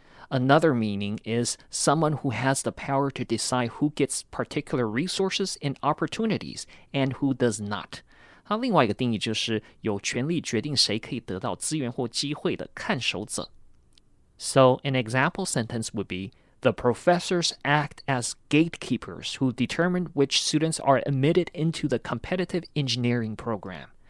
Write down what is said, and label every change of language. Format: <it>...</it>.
<en>Another meaning is someone who has the power to decide who gets particular resources and opportunities and who does not.</en> <zh>它另外一个定义就是有权利决定谁可以得到资源或机会的看守者.</zh> <en>So an example sentence would be, the professors act as gatekeepers who determine which students are admitted into the competitive engineering program.</en>